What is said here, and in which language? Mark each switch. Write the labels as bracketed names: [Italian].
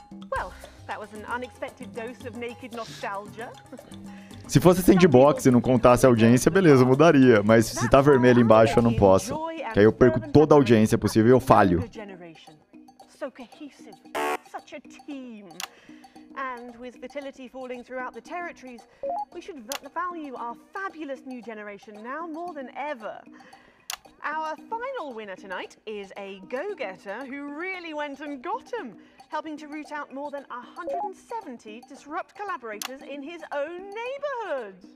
[English] Well, that was an unexpected dose of naked nostalgia. [Portuguese] Se fosse sandbox e não contasse a audiência, beleza, eu mudaria. Mas se tá vermelho embaixo, eu não posso. Que aí eu perco toda a audiência possível e eu falho. [English] So cohesive. Such a team. And with fertility falling throughout the territories, we should value our fabulous new generation now more than ever. Our final winner tonight is a go-getter who really went and got him, helping to root out more than 170 disrupt collaborators in his own neighborhood.